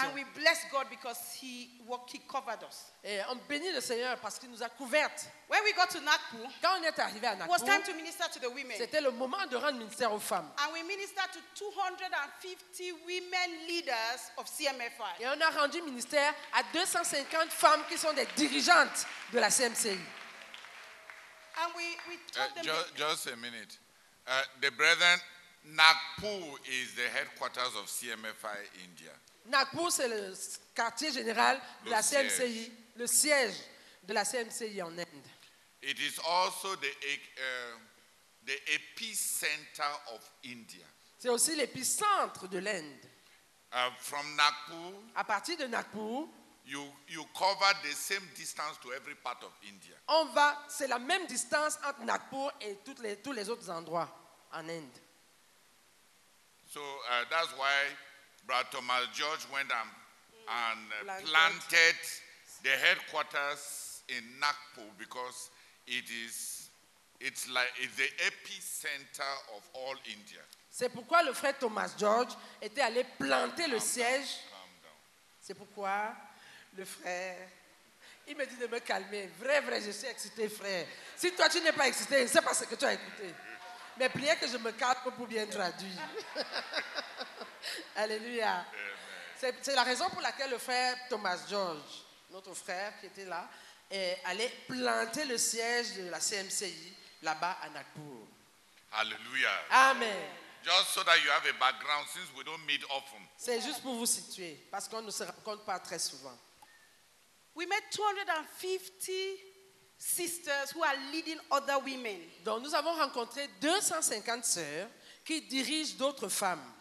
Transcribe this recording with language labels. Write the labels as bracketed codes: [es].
[en] And we bless God because he covered us. [fr] Et on bénit le Seigneur parce qu'il nous a couvertes. [en] When we got to Nagpur, [fr] quand on est arrivé à Nagpur, [en] it was time to minister to the women. [fr] C'était le moment de rendre ministère aux femmes. [en] And we ministered to 250 women leaders of CMFI. [fr] Et on a rendu ministère à 250 femmes qui sont des dirigeantes de la CMCI. [en] And we told them. Just a minute, the brethren. Nagpur is the headquarters of CMFI India. [fr] Nagpur, c'est le quartier général de la CMCI, le siège de la CMCI en Inde. [en] It is also the epicenter of India. [fr] C'est aussi l'épicentre de l'Inde. [en] From Nagpur, [fr] à partir de Nagpur, [en] you cover the same distance to every part of India. [fr] On va, c'est la même distance entre Nagpur et tous les autres endroits en Inde. [en] So that's why Brother Thomas George went and planted the headquarters in Nagpur because it's the epicenter of all India. [fr] C'est pourquoi le frère Thomas George était allé planter le siège. C'est pourquoi le frère, il me dit de me calmer. Vrai, je suis excité, frère. Si toi tu n'es pas excité, je ne sais pas ce que tu as écouté. Mais priez que je me calme pour bien traduire. Alléluia. C'est la raison pour laquelle le frère Thomas George, notre frère qui était là, est allé planter le siège de la CMCI là-bas à Nagpur. Alléluia. Amen. [en] Just so that you have a background, since we don't meet often. [fr] C'est juste pour vous situer, parce qu'on ne se rencontre pas très souvent. [en] We met 250 sisters who are leading other women. [fr] Donc nous avons rencontré 250 sœurs qui dirigent d'autres femmes.